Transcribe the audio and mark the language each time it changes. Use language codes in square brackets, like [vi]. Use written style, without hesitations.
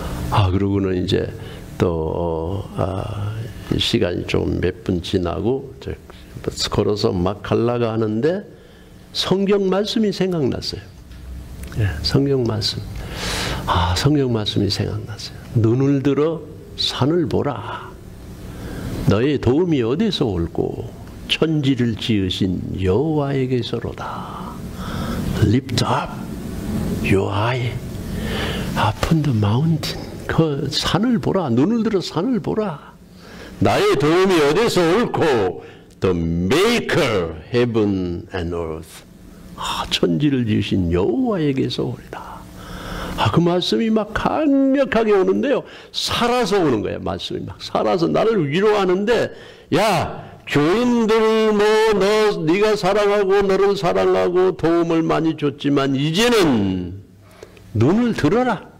[ko] 아, 그러고는 이제 또, 시간이 좀 몇 분 지나고, 걸어서 막 가려고 하는데, 성경 말씀이 생각났어요. 네, 성경 말씀. 아, 성경 말씀이 생각났어요. 눈을 들어 산을 보라. 너의 도움이 어디서 올고, 천지를 지으신 여호와에게서로다. [en] Lift up your eye upon the mountain. [ko] 그 산을 보라. 눈을 들어 산을 보라. 나의 도움이 어디서 올고, [en] the maker heaven and earth. [ko] 아, 천지를 지으신 여호와에게서 오리다. 아, 그 말씀이 막 강력하게 오는데요. 살아서 오는 거예요. 말씀이 막 살아서 나를 위로하는데, 야, 교인들 뭐 네가 사랑하고 너를 사랑하고 도움을 많이 줬지만 이제는 눈을 들어라.